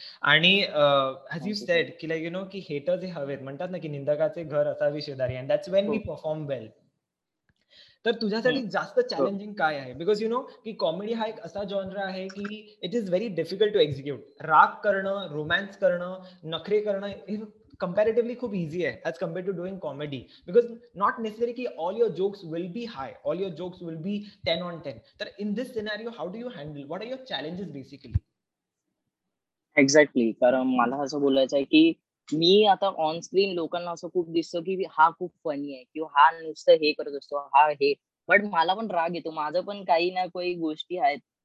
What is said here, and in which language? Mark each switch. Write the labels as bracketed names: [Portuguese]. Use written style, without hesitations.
[Marathi] आणि [English] as you said की like you know [Marathi] की हेटर्स हे हवेत, म्हणतात ना की निंदकाचे घर असावी शेजारी, [English] And that's when we perform well. [Marathi] तर तुझ्यासाठी जास्त चॅलेंजिंग काय आहे? बिकॉज यु नो की कॉमेडी हा एक असा जॉनर आहे की [English] It is very difficult to execute. [Marathi] राग करणं, रोमॅन्स करणं, नखरे करणं हे कम्पॅरेटिव्हली खूप इझी आहे [English] As compare to doing comedy. Because not necessary की all your jokes will be high, all your jokes will be 10/10. तर in this scenario how do you handle, what are your challenges basically? Exactly. [Marathi] कारण मला असं बोलायचं आहे की मी आता on screen लोकांना असं खूप दिसतो की हा खूप फनी आहे किंवा हा नुसतं हे करत असतो हा हे, बट मला पण राग येतो, माझं पण काही ना काही गोष्टी आहेत.